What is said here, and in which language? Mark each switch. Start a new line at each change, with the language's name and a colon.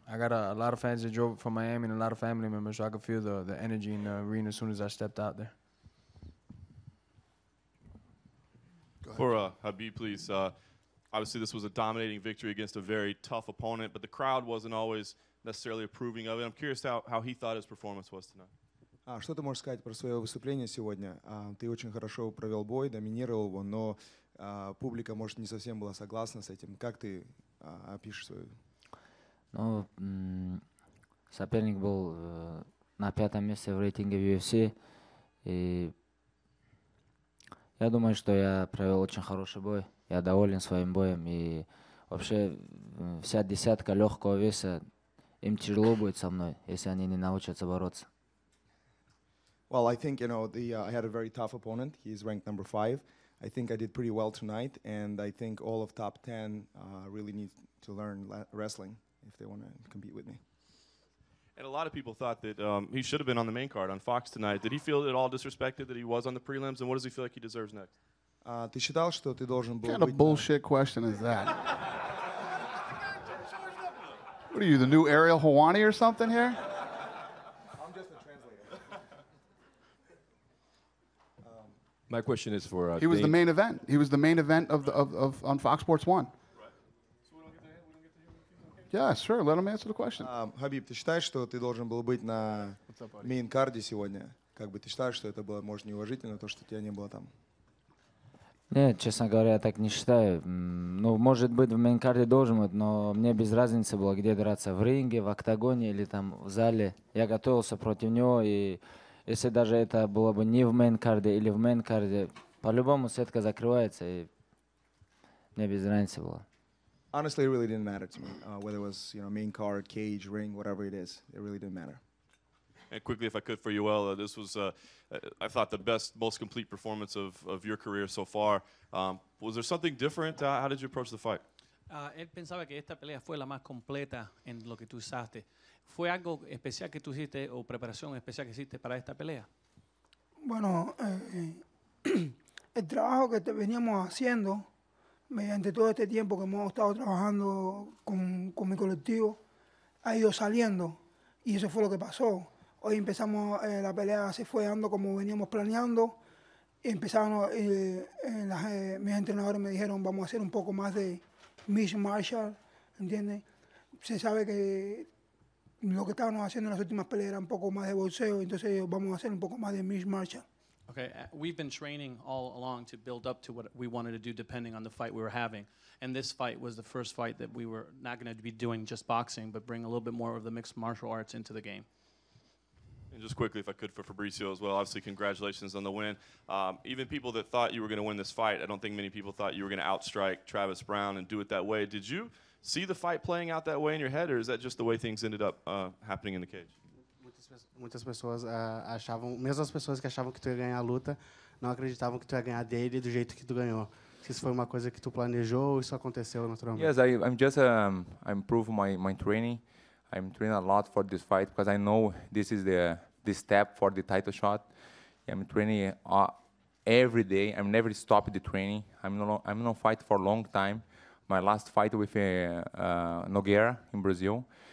English: I got a lot of fans that drove from Miami and a lot of family members, so I could feel the energy in the arena as soon as I stepped out there. Go ahead. For Habib, please. Obviously, this was a dominating victory against a very tough opponent, but the crowd wasn't always necessarily approving of it. I'm curious how he thought his performance was tonight.
Russian: Что ты можешь сказать про свое выступление сегодня? Ты очень хорошо провел бой, доминировал его, но публика, может, не совсем была согласна с этим. Как ты опишешь свою? Ну, соперник был на пятом месте в рейтинге UFC. И я думаю, что я провел очень хороший бой. Я доволен своим боем. И вообще вся десятка легкого веса, им тяжело будет со мной, если они не научатся бороться.
English: Well, I think, you know, I had a very tough opponent. He's ranked number 5. I think I did pretty well tonight, and I think all of top 10 really need to learn wrestling if they want to compete with me. And a lot of people thought that he should have been on the main card on Fox tonight. Did he feel at all disrespected that he was on the prelims, and what does he feel like he deserves next?
Russian: Ты считал, что ты должен был быть...
English: What kind of bullshit question is that? What are you, the new Ariel Helwani or something here? I'm just a translator. My question is for he was the main event. He was the main event of the on Fox Sports 1. Yeah, sure. Let him answer the question.
Russian: Хабиб, ты считаешь, что ты должен был быть на мейн-карде сегодня? Как бы ты считаешь, что это было, может, неуважительно, то, что тебя не было там? Нет, честно говоря, я так не считаю. Ну, может быть, в мейн-карде должен быть, но мне без разницы было, где драться, в ринге, в октагоне или там в зале. Я готовился против него, и если даже это было бы не в мейн-карде или в мейн-карде, по-любому сетка закрывается, и мне без разницы было.
English: Honestly, it really didn't matter to me, whether it was, you know, main card, cage, ring, whatever it is. It really didn't matter. And quickly, if I could, for Yoel, this was, I thought, the best, most complete performance of your career so far. Was there something different? How did you approach the fight?
Spanish: Él pensaba que esta pelea fue la más completa en lo que tú usaste. ¿Fue algo especial que tú hiciste o preparación especial que hiciste para esta pelea? Bueno, el trabajo que veníamos haciendo mediante todo este tiempo que hemos estado trabajando con mi colectivo, ha ido saliendo, y eso fue lo que pasó. Hoy empezamos, la pelea se fue dando como veníamos planeando, y empezaron, mis entrenadores me dijeron, vamos a hacer un poco más de
English: mixed martial,
Spanish: ¿entiendes? Se sabe que lo que estábamos haciendo en las últimas peleas era un poco más de boxeo, entonces vamos a hacer un poco más de
English: mixed martial. Okay, we've been training all along to build up to what we wanted to do depending on the fight we were having. And this fight was the first fight that we were not going to be doing just boxing, but bring a little bit more of the mixed martial arts into the game. And just quickly, if I could, for Fabricio as well, obviously congratulations on the win. Even people that thought you were going to win this fight, I don't think many people thought you were going to outstrike Travis Brown and do it that way. Did you see the fight playing out that way in your head, or is that just the way things ended up happening in the cage?
Portuguese: Muitas pessoas achavam, mesmo as pessoas que achavam que tu ia ganhar a luta, não acreditavam que tu ia ganhar dele do jeito que tu ganhou. Se isso foi uma coisa que tu planejou ou isso aconteceu naturalmente?
English: Yes, I'm improving my training. I'm training a lot for this fight because I know this is the step for the title shot. I'm training every day. I'm never stopped the training. I'm no fight for a long time. My last fight with Nogueira in Brazil.